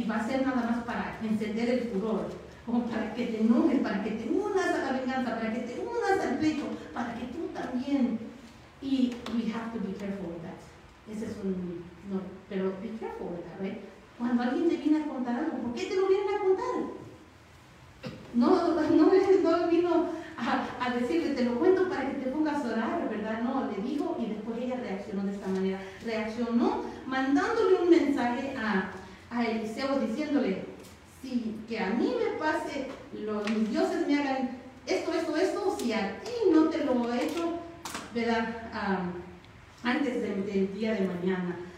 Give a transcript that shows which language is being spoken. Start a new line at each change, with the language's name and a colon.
Spanish: Y va a ser nada más para encender el furor, como para que te enojes, para que te unas a la venganza, para que te unas al pleito, para que tú también.
English: Y we have to be careful with that.
Spanish: Ese es un... No, pero
English: be careful with that,
Spanish: ¿verdad? Right? Cuando alguien te viene a contar algo, ¿por qué te lo vienen a contar? No vino a decirle, te lo cuento para que te pongas a orar, ¿verdad? No, le dijo y después ella reaccionó de esta manera. Reaccionó mandándole un mensaje a Eliseo diciéndole, si que a mí me pase, mis dioses me hagan esto, si a ti no te lo he hecho, ¿verdad?, antes del día de mañana.